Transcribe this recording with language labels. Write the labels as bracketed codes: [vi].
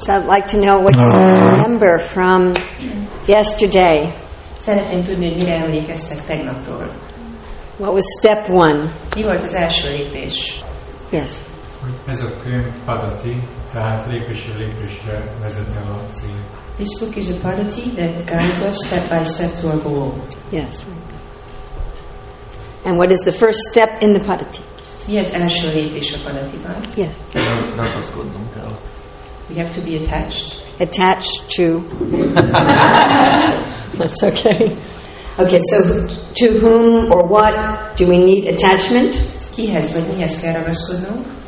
[en] So I'd like to know what you remember from yesterday. [hu] Szeretném tudni, mire emlékeztek tegnapról. [en] What was step one? [hu] Mi volt az első lépés? [en] Yes. [hu] Ez a könyv padati, tehát lépésről lépésre vezetne a cél. [en] This book is a padati that guides us step by step to our goal. Yes. And what is the first step in the padati? [hu] Yes, első lépés a padatiban. [en] Yes. [hu] Ragaszkodnom kell. [en] We have to be attached. Attached to. That's okay. Okay, so to whom or what do we need attachment? [hu] Kihez vagy mihez kell ragaszkodnunk?